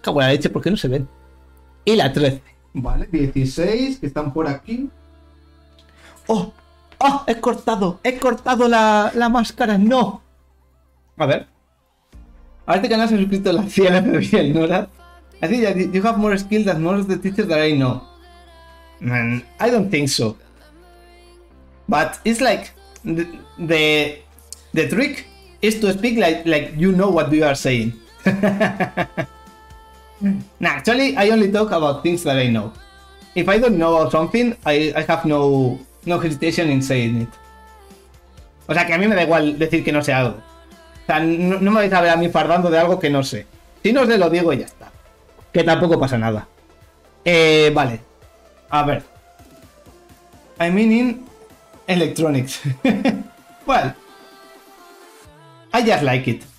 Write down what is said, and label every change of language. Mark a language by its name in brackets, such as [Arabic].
[Spanish] Cago en la leche, ¿por qué no se ven? Y la 13. Vale, 16, que están por aquí. ¡Oh! He cortado la máscara. ¡No! A ver. A este canal se ha suscrito la CLP bien, ¿no? Así ya, [English] you have more skills than most of the teachers that I know. Man, I don't think so. But it's like the trick is to speak like you know what you are saying. Nah, actually I only talk about things that I know. If I don't know something, I have no hesitation in saying it. [Spanish] O sea que a mí me da igual decir que no sé algo. O sea, no me vais a ver a mí fardando de algo que no sé. Si no os lo digo y ya está. Que tampoco pasa nada. Vale. A ver. [English] I mean in electronics. Well, I just like it.